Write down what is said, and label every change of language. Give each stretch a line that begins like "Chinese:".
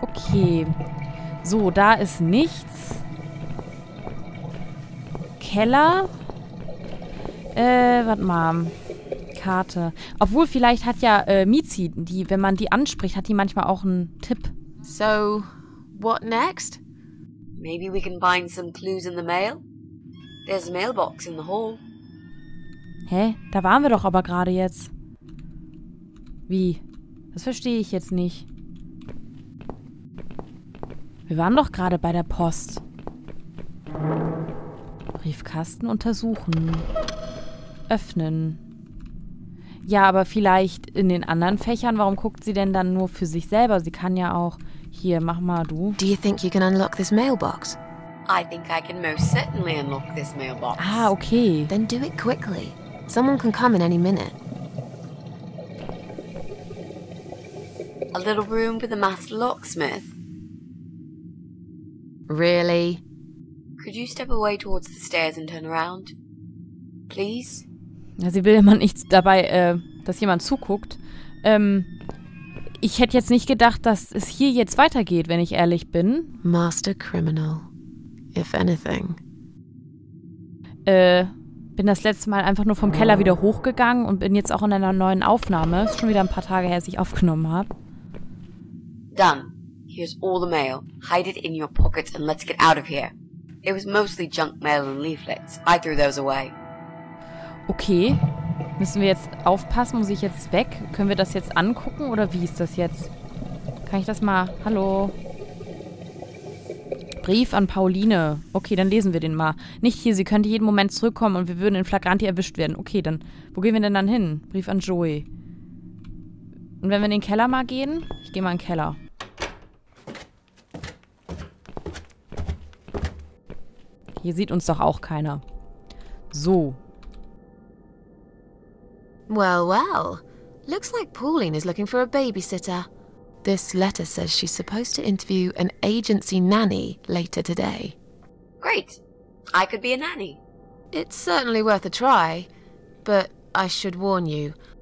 German: Okay. So, da ist nichts. Keller. Warte mal. Karte. Obwohl, vielleicht hat ja Mizi, die, wenn man die anspricht, hat die manchmal auch einen Tipp.
English: So, what next? Maybe we can find some clues in the mail. There's a mailbox in the hall. Hä?
German: Da waren wir doch aber gerade jetzt. Wie? Das verstehe ich jetzt nicht. Wir waren doch gerade bei der Post. Briefkasten untersuchen. Öffnen. Ja, aber vielleicht in den anderen Fächern. Warum guckt sie denn dann nur für sich selber? Sie kann ja auch... Hier, mach mal du.
English: Do you think you can unlock this mailbox? I think I can most certainly unlock this mailbox. Ah, okay. Then do it quickly. Someone can come in any minute. A little room with a master locksmith. Really? Could you step away towards the stairs and turn around? Please?
German: Ja, sie will immer nicht dabei, dass jemand zuguckt. Ich hätte jetzt nicht gedacht, dass es hier jetzt weitergeht, wenn ich ehrlich bin.
English: Master Criminal. If anything.
German: Bin das letzte Mal einfach nur vom Keller wieder hochgegangen und bin jetzt auch in einer neuen Aufnahme. Ist schon wieder ein paar Tage her, dass ich aufgenommen habe.
English: Done. Here's all the mail. Hide it in your pockets and let's get out of here. It was mostly junk mail and leaflets. I threw those away. Okay.
German: Müssen wir jetzt aufpassen? Muss ich jetzt weg? Können wir das jetzt angucken oder wie ist das jetzt? Kann ich das mal... Hallo? Brief an Pauline. Okay, dann lesen wir den mal. Nicht hier, sie könnte jeden Moment zurückkommen und wir würden in Flagranti erwischt werden. Okay, dann... Wo gehen wir denn dann hin? Brief an Joey. Und wenn wir in den Keller mal gehen? Ich gehe mal in den Keller. Hier sieht uns doch auch keiner. So.
English: Well, well. Looks like Pauline is looking for a babysitter. This letter says she's supposed to interview an agency nanny later today. Great. I could be a nanny. It's certainly worth a try. But I should warn you.